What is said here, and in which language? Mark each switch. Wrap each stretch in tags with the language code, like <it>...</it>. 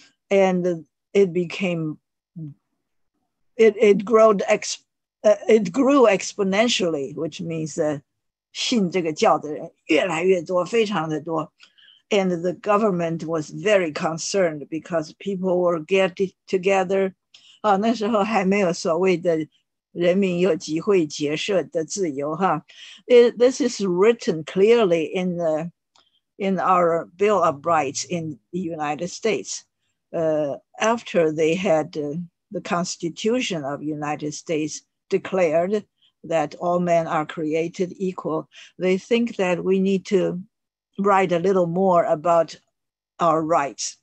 <en>And it grew exponentially, which means that</en> <zh>信这个教的人越来越多，非常的多。</zh> <en>And the government was very concerned because people were getting together.</en> <zh>那时候还没有所谓的人民有集会结社的自由哈。</zh> <en>This is written clearly in our Bill of Rights in the United States. After they had the Constitution of the United States declared that all men are created equal, they think that we need to write a little more about our rights.</en>